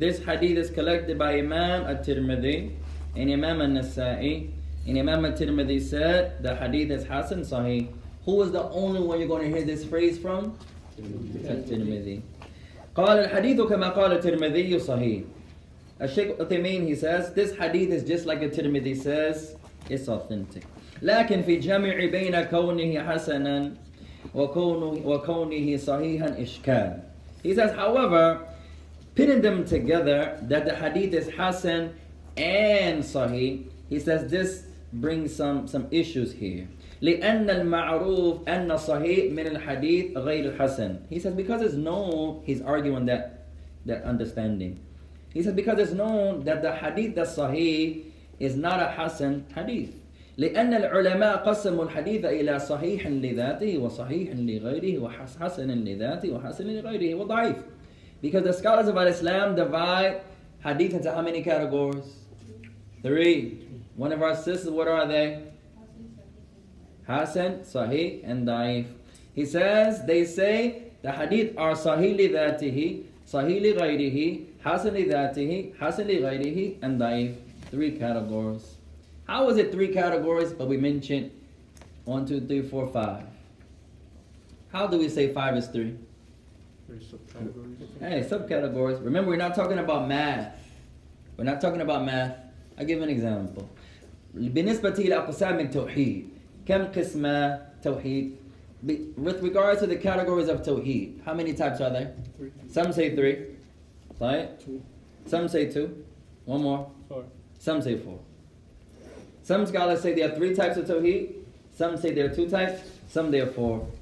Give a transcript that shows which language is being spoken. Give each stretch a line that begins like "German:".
English: This hadith is collected by Imam al-Tirmidhi and Imam al-Nasa'i. And Imam al-Tirmidhi said the hadith is Hasan صحيح. Who is the only one you're going to hear this phrase from? Al-Tirmidhi.
Arabic: قال الحديث كما قال الترمذي صحيح.
English: الشيخ أثيمين, he says, this hadith is just like the Tirmidhi says, it's authentic.
Arabic: لكن في جمع بين كونه حسنا وَكَوْنِهِ صَحِيحًا إِشْكَالًا.
English: He says, however, pitting them together, that the hadith is Hassan and Sahih, he says this brings some issues here.
Arabic: لِأَنَّ الْمَعْرُوفِ أَنَّ صَحِيحٍ مِنَ الْحَدِيثِ غَيْرِ الْحَسَنِ.
English: He says, because it's known, he's arguing that understanding. He says, because it's known that the hadith that's Sahih is not a Hassan hadith.
Arabic: لأن العلماء قسموا الحديث إلى صحيح لذاته وصحيح لغيره وحسن لذاته وحسن لغيره وضعيف.
English: Because the scholars of Islam divide hadith into how many categories? Three. One of our sisters, what are they? Hasan, Sahih, and Daif. He says, they say the hadith are
Arabic: صحيح لذاته, صحيح لغيره, حسن لذاته, حسن لغيره,
English: and Daif. Three categories. How is it three categories, but we mentioned 1, 2, 3, 4, 5? How do we say 5 is 3? There's subcategories. Hey, subcategories. Remember, we're not talking about math. We're not talking about math. I'll give an example.
Arabic: بالنسبة إلى أقسام التوحيد. كم قسم توحيد?
English: With regards to the categories of توحيد, how many types are there? Three. Some say 3. Right? 2. Some say 2. One more. 4. Some say 4. Some scholars say there are 3 types of tawheed. Some say there are 2 types. Some there are 4.